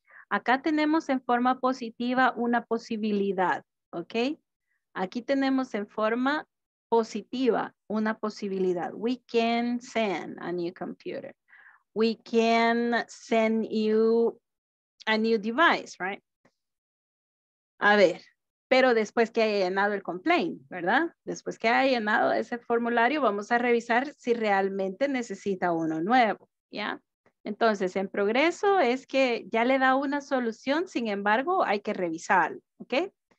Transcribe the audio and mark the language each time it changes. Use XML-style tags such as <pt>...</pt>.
<es>Acá tenemos en forma positiva una posibilidad, ¿ok? Aquí tenemos en forma positiva, una posibilidad.</es> <en>We can send a new computer. We can send you a new device, right?</en> <es>A ver, pero después que haya llenado el complaint, ¿verdad? Después que haya llenado ese formulario, vamos a revisar si realmente necesita uno nuevo, ¿ya? Entonces, en progreso es que ya le da una solución, sin embargo, hay que revisarlo, ¿ok?</es>